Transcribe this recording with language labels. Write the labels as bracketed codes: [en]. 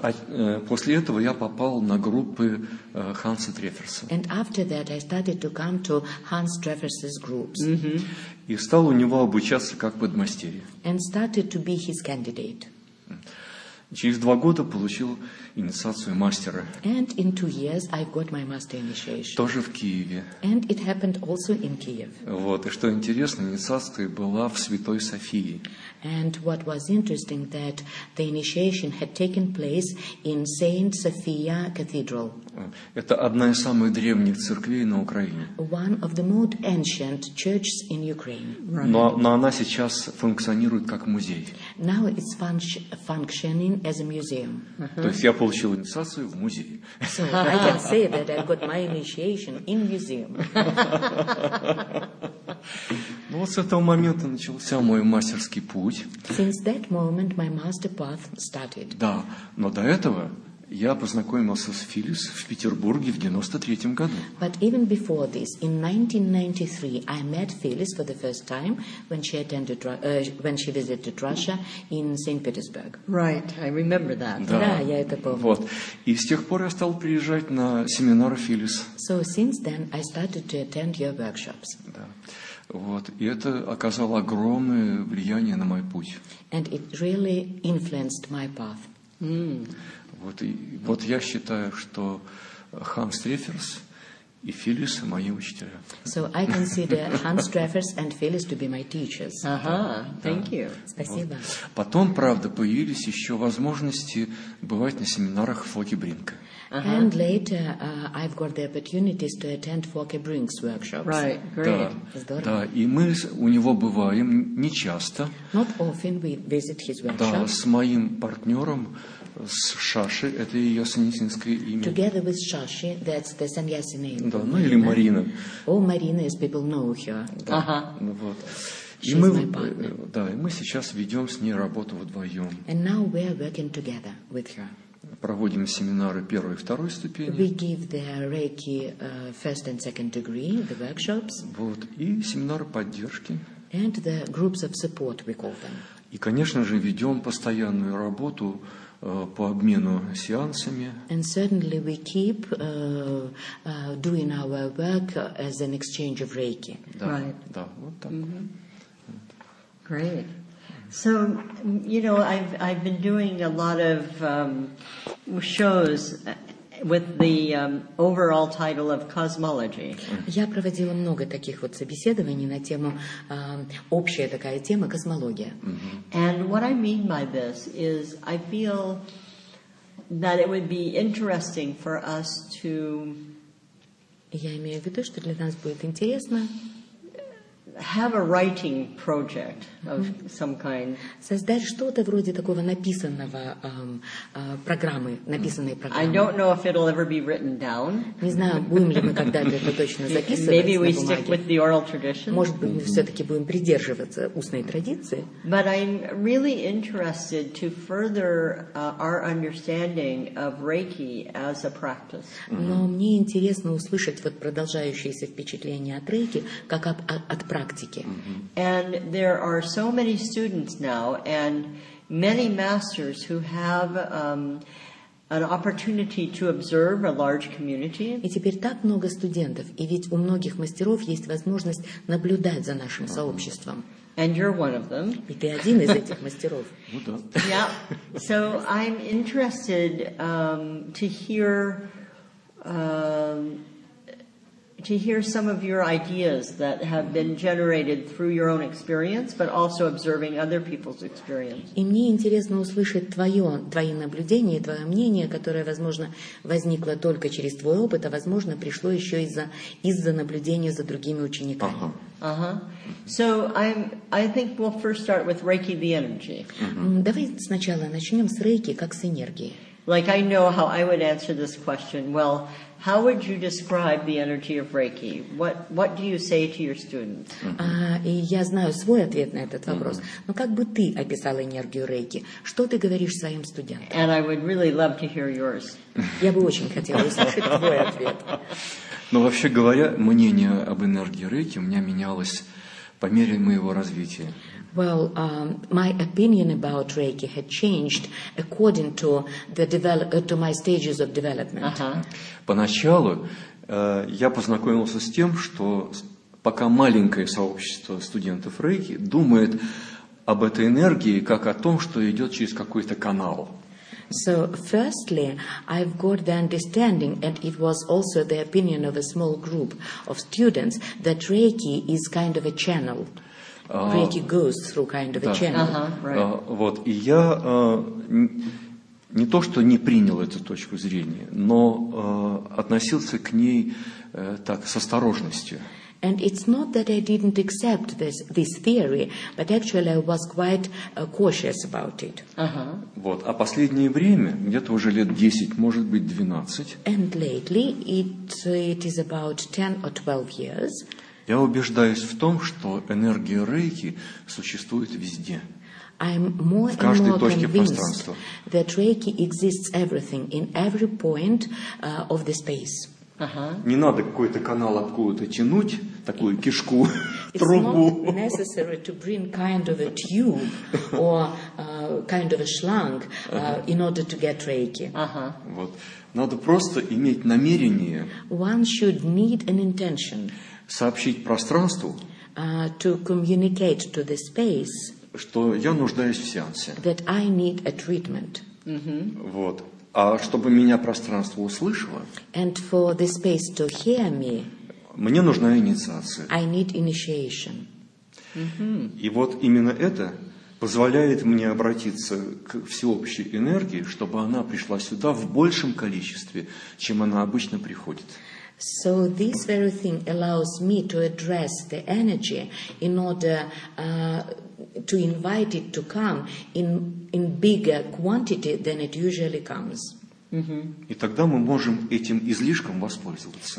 [ru] А после этого я попал на группы Ханса Треферса. [en] And after that I started to come to Hans Treffers' groups. [ru] И стал у него обучаться как подмастерье. [en] And started to be his candidate. [ru] Через два года получил инициацию мастера. [en] And in 2 years I got my master initiation. [ru] Тоже в Киеве. [en] And it happened also in Kiev. [ru] Вот. И что интересно, инициация была в Святой Софии. [en] And what was interesting that the initiation had taken place in Saint Sophia Cathedral. [ru] Это одна из самых древних церквей на Украине. [en] One of the most ancient churches in Ukraine. [ru] Но она сейчас функционирует как музей. [en] Now it's functioning as a museum. [ru] То есть я получил инициацию в музее. [en] So I can say that I got my initiation in museum. [ru] Ну вот с этого момента начался мой мастерский путь. [en] Since that moment my master path started. [ru] Да, но до этого я познакомился с Филлис в Петербурге в 93-м году. [en] But even before this, in 1993, I met Phyllis for the first time when she attended, when she visited Russia in St. Petersburg. Right, I remember that. [ru] Да, да, я это помню. Вот. И с тех пор я стал приезжать на семинары Филлис. [en] So since then I started to attend your workshops. [ru] Да. Вот. И это оказало огромное влияние на мой путь. [en] And it really influenced my path. Mm. [ru] Вот, и, вот я считаю, что Ханс Треферс и Филлис – мои учителя. [en] So I consider Hans Treffers and Phyllis to be my teachers. Ага, thank you. [ru] Спасибо. Вот. Потом, правда, появились еще возможности бывать на семинарах Фоке Бринка. Uh-huh. [en] And later, I've got the opportunities to attend Fokker Brink's workshops. Right, great. [ru] Да, да, и мы у него бываем нечасто. [en] Not often we visit his workshops. [ru] Да, с моим партнером, с Шашей, это ее саньясинское имя. [en] Together with Shashi, that's the sannyasi name. [ru] Да, ну или Марина. [en] Oh, Marina, as people know her. [ru] Да, uh-huh. Ну вот. [en] She's my partner. [ru] Да, и мы сейчас ведем с ней работу вдвоем. [en] And now we are working together with her. [ru] Проводим семинары первой и второй ступени. [en] We give the Reiki first and second degree, the workshops. [ru] Вот, и семинары поддержки. [en] And the groups of support, we call them. [ru] И, конечно же, ведем постоянную работу по обмену сеансами. [en] And certainly we keep doing our work as an exchange of Reiki. [ru] Да, [en] right. [ru] Да, вот так. [en] Mm-hmm. Great. So, you know, I've been doing a lot of shows with the overall title of cosmology. [ru] Я проводила много таких вот собеседований на тему общая такая тема космология. [en] And what I mean by this is I feel that it would be interesting for us to [ru] Я имею в виду, что для нас будет интересно [en] have a writing project of some kind. [ru] Создать что-то вроде такого написанного программы, написанной программы. [en] I don't know if it'll ever be written down. [ru] Не знаю, будем ли мы когда-то это точно записывать. [en] Maybe we stick with the oral tradition. [ru] Может быть, мы все-таки будем придерживаться устной традиции. [en] But I'm really interested to further our understanding of Reiki as a practice. [ru] Но мне интересно услышать вот продолжающиеся впечатления от Рейки как от практики. [en] And there are so many students now and many masters who have an opportunity to observe a large community. [ru] И теперь так много студентов, и ведь у многих мастеров есть возможность наблюдать за нашим сообществом. [en] And you're one of them. [ru] И ты один из этих мастеров. [en] Yeah. So I'm interested to hear to hear some of your ideas that have been generated through your own experience, but also observing other people's experience. [ru] И мне интересно услышать твои наблюдения, твое мнение, которое, возможно, возникло только через твой опыт, а, возможно, пришло еще из-за наблюдения за другими учениками. Uh-huh. [en] So I think we'll first start with Reiki, the energy. [ru] Давай сначала начнем с Рейки, как с энергии. [en] Like I know how I would answer this question. Well, how would you describe the energy of Reiki? What do you say to your students? [ru] И я знаю свой ответ на этот вопрос. Но как бы ты описал энергию Рейки? Что ты говоришь своим студентам? [en] And I would really love to hear yours. [ru] Я бы очень хотела услышать твой ответ. Ну, вообще говоря, мнение об энергии Рейки у меня менялось по мере моего развития. [en] Well, my opinion about Reiki had changed according to the to my stages of development. Uh-huh. [ru] Поначалу я познакомился с тем, что пока маленькое сообщество студентов Рейки думает об этой энергии как о том, что идет через какой-то канал. [en] So, firstly, I've got the understanding, and it was also the opinion of a small group of students, that Reiki is kind of a channel. Reiki goes through kind of a channel. [ru] Вот, и я не то, что не принял эту точку зрения, но относился к ней так, с осторожностью. [en] And it's not that I didn't accept this theory, but actually I was quite cautious about it. [ru] Вот, а последнее время, где-то уже лет 10, может быть, 12. [en] And lately it is about 10 or 12 years. [ru] Я убеждаюсь в том, что энергия Рейки существует везде. [en] I'm more and more convinced that Reiki exists everything, in every point of the space. [ru] Не надо какой-то канал откуда-то тянуть, такую кишку, трубу. [en] It's not necessary to bring kind of a tube or kind of a schlang in order to get Reiki. [ru] Вот. Надо просто иметь намерение. [en] One should need an intention. [ru] Сообщить пространству. [en] To communicate to the space. [ru] Что я нуждаюсь в сеансе. [en] That I need a treatment. [ru] Вот. А чтобы меня пространство услышало, [en] and for the space to hear me, [ru] мне нужна инициация. [en] I need initiation. [ru] И вот именно это позволяет мне обратиться к всеобщей энергии, чтобы она пришла сюда в большем количестве, чем она обычно приходит. [en] So this very thing allows me to address the energy in order to invite it to come in bigger quantity than it usually comes. [ru] И тогда мы можем этим излишком воспользоваться.